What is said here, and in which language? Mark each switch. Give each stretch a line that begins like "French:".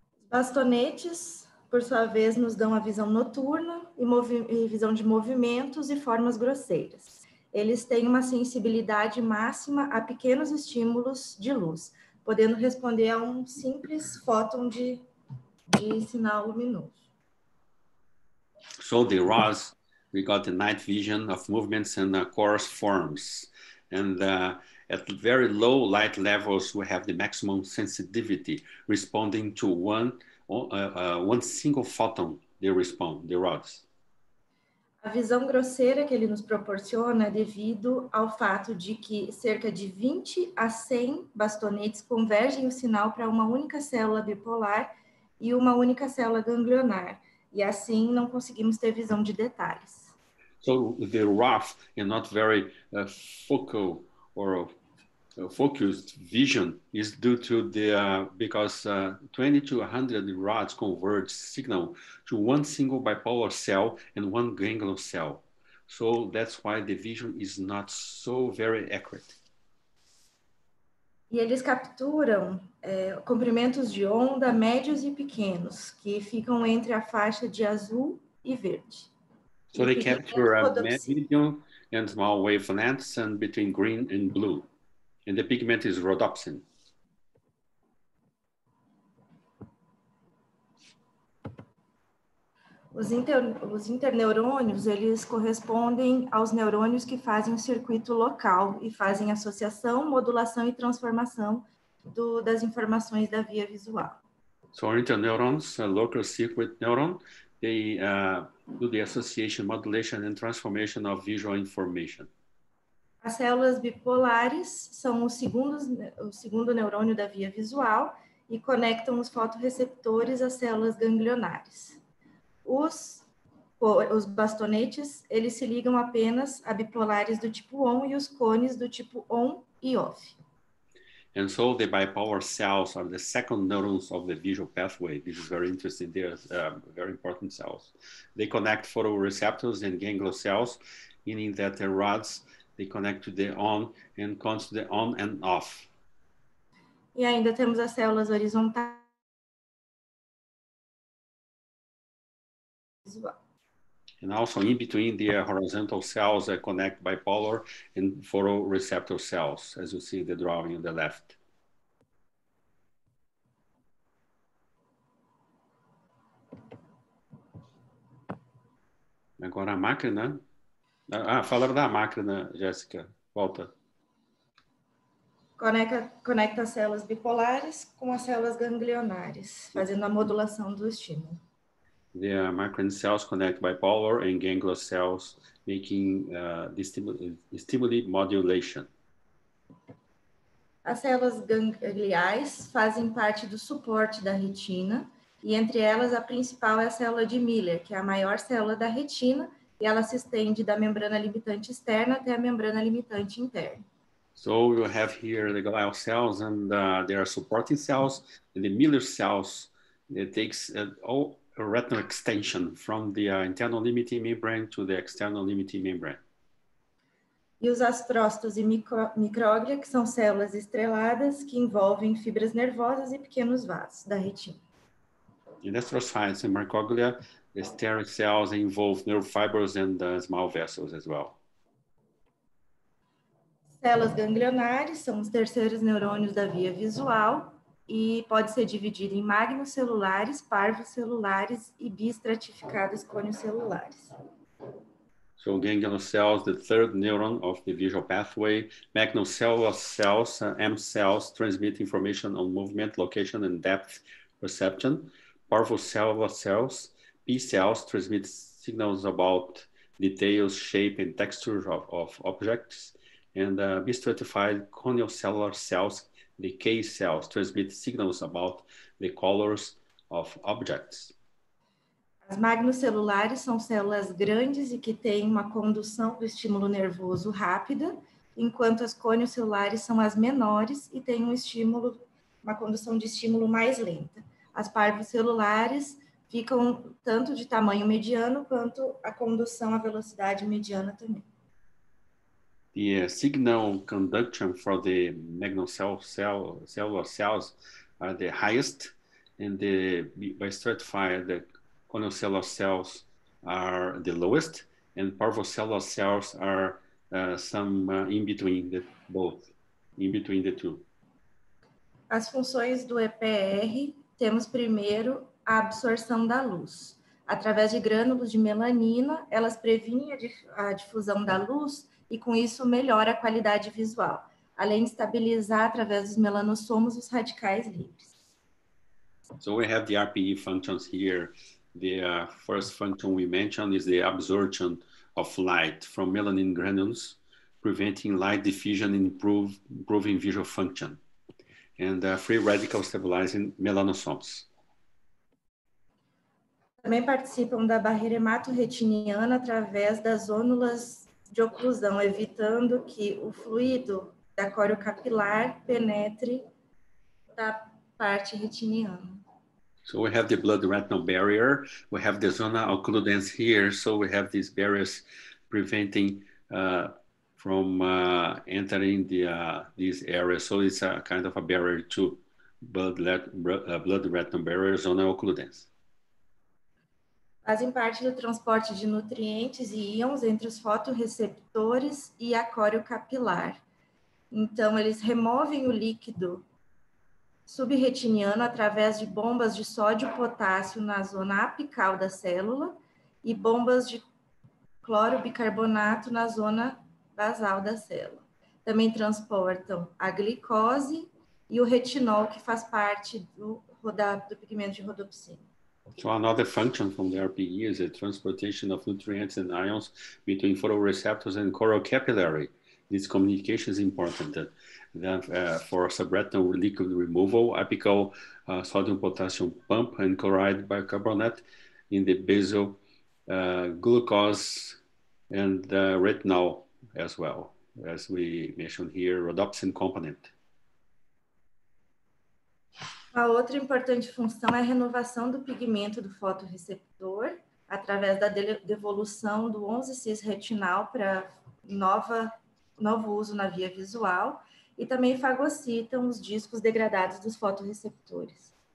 Portuguese: Bastonetes, por sua vez, nos dão a visão noturna e visão de movimentos e formas grosseiras. Eles têm uma sensibilidade máxima a pequenos estímulos de luz, podendo responder a um simples fóton de sinal luminoso.
English: So the rods, we got the night vision of movements and coarse forms. And at very low light levels, we have the maximum sensitivity responding to one single photon they respond, the rods.
Portuguese: A visão grosseira que ele nos proporciona é devido ao fato de que cerca de 20 a 100 bastonetes convergem o sinal para uma única célula bipolar e uma única célula ganglionar. E assim não conseguimos ter visão de detalhes.
English: So the rough and not very focal or focused vision is due to the because 20 to 100 rods converge signal to one single bipolar cell and one ganglion cell. So that's why the vision is not so very accurate.
Portuguese: E eles capturam comprimentos de onda médios e pequenos que ficam entre a faixa de azul e verde.
English: So they capture a medium and small wavelengths and between green and blue. And the pigment is rhodopsin.
Portuguese: Os interneurônios, eles correspondem aos neurônios que fazem o circuito local e fazem associação, modulação e transformação do, das informações da via visual.
English: So interneurons, local circuit neuron, they do the association, modulation and transformation of visual information.
Portuguese: As células bipolares são o segundo neurônio da via visual e conectam os fotorreceptores às células ganglionares. Os bastonetes, eles se ligam apenas a bipolares do tipo on e os cones do tipo on e off.
English: And so the bipolar cells are the second neurons of the visual pathway. This is very interesting. They are very important cells. They connect photoreceptors and ganglion cells, meaning that the rods, they connect to the on and cones to the on and off.
Portuguese: E ainda temos as células horizontais.
English: And also in between the horizontal cells that connect bipolar and photoreceptor cells, as you see the drawing on the left.
Portuguese: Agora a máquina. Ah, falar da máquina, Jessica. Volta. Conecta as células bipolares com as células ganglionares, fazendo a modulação do estímulo.
English: The macrine cells connect bipolar and ganglion cells, making the stimuli modulation.
Portuguese: As células gangliais fazem parte do suporte da retina, e entre elas a principal é a célula de Miller, que é a maior célula da retina, e ela se estende da membrana limitante externa até a membrana limitante interna.
English: So you have here the glial cells, and they are supporting cells, and the Miller cells, it takes all a retinal extension from the internal limiting membrane to the external limiting membrane.
Portuguese: E os astrócitos e micróglia, que são células estreladas que envolvem fibras nervosas e pequenos vasos da retina.
English: In astrocytes and microglia, the steric cells involve nerve fibers and small vessels as well.
Portuguese: Células ganglionares são os terceiros neurônios da via visual. E pode ser dividido em magnocelulares, parvocelulares e bistratificados coniocelulares.
English: So ganglion cells, the third neuron of the visual pathway, magnocellular cells, M cells, transmit information on movement, location and depth perception. Parvocellular cells, B cells, transmit signals about details, shape and texture of objects. And bistratified coniocellular cells, the K cells transmit signals about the colors of objects.
Portuguese: As magnocelulares são células grandes e que têm uma condução do estímulo nervoso rápida, enquanto as coniocelulares são as menores e têm um estímulo, uma condução de estímulo mais lenta. As parvocelulares ficam tanto de tamanho mediano quanto a condução à velocidade mediana também.
English: The signal conduction for the magnocellular cells are the highest, and the bistratified the coniocellular cells are the lowest, and parvocellular cells are in between the both, in between the two.
Portuguese: As funções do EPR, temos primeiro a absorção da luz. Através de grânulos de melanina, elas previnem a difusão da luz e com isso melhora a qualidade visual, além de estabilizar através dos melanossomos os radicais livres.
English: So we have the RPE functions here. The first function we mentioned is the absorption of light from melanin granules, preventing light diffusion and improving visual function, and free radical stabilizing melanosomes.
Portuguese: Também participam da barreira hematorretiniana através das zônulas de oclusão, evitando que o fluido da córeo capilar penetre da parte retiniana.
English: So we have the blood retinal barrier, we have the zona occludens here, so we have these barriers preventing from entering the these areas, so it's a kind of a barrier to blood retinal barrier, zona occludens.
Portuguese: fazem parte do transporte de nutrientes e íons entre os fotorreceptores e a córeo capilar. Então, eles removem o líquido subretiniano através de bombas de sódio e potássio na zona apical da célula e bombas de cloro bicarbonato na zona basal da célula. Também transportam a glicose e o retinol, que faz parte do pigmento de rodopsina.
English: So another function from the RPE is the transportation of nutrients and ions between photoreceptors and choroid capillary. This communication is important for subretinal liquid removal, apical sodium potassium pump and chloride bicarbonate in the basal glucose and retinol as well, as we mentioned here, rhodopsin component.
Portuguese: A outra importante função é a renovação do pigmento do fotorreceptor através da devolução do 11-cis retinal para novo uso na via visual e também fagocitam os discos degradados dos fotorreceptores.